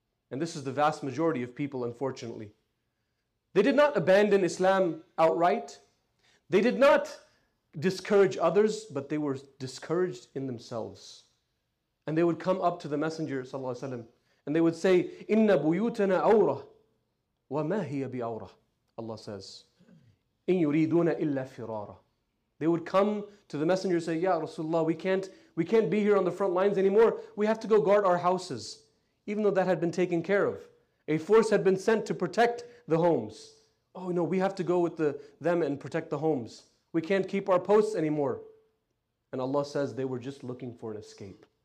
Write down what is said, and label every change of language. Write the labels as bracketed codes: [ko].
[en] And this is the vast majority of people, unfortunately. They did not abandon Islam outright. They did not discourage others, but they were discouraged in themselves. And they would come up to the Messenger, sallallahu alaihi wasallam, and they would say, [ar] إِنَّ بُيُوتَنَا أَوْرَةً وَمَا هِيَ بِأَوْرَةً. [en] Allah says, [ar] إِن يُرِيدُونَ إِلَّا فِرَارًا. [en] They would come to the Messenger and say, Ya Rasulullah, we can't be here on the front lines anymore. We have to go guard our houses. Even though that had been taken care of. A force had been sent to protect the homes. Oh no, we have to go with them and protect the homes. We can't keep our posts anymore. And Allah says they were just looking for an escape.